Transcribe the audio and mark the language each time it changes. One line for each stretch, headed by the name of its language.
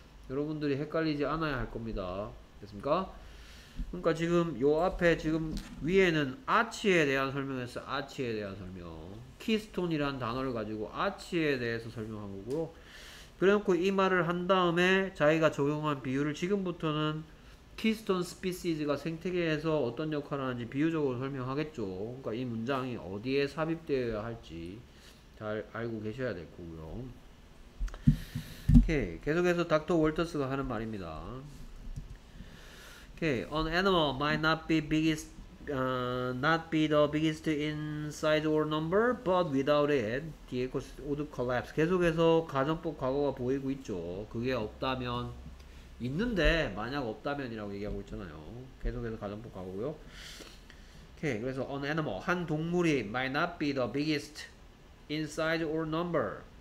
Korean: 여러분들이 헷갈리지 않아야 할 겁니다. 됐습니까? 그러니까 지금 요 앞에 지금 위에는 아치에 대한 설명에서 아치에 대한 설명, 키스톤이라는 단어를 가지고 아치에 대해서 설명한 거고, 그래놓고 이 말을 한 다음에 자기가 적용한 비유를 지금부터는 키스톤 스피시즈가 생태계에서 어떤 역할을 하는지 비유적으로 설명하겠죠. 그러니까 이 문장이 어디에 삽입되어야 할지 잘 알고 계셔야 될 거고요. 오케이, 계속해서 닥터 월터스가 하는 말입니다.
English: Okay, an animal might not be biggest, not be the biggest in size or number, but without it, the ecosystem would collapse.
Korean: 계속해서 가정법 과거가 보이고 있죠. 그게 없다면, 있는데 만약 없다면이라고 얘기하고 있잖아요. 계속해서 가정법 과거고요.
English: Okay,
Korean: 그래서
English: an animal,
Korean: 한 동물이
English: might not be the biggest in size or number.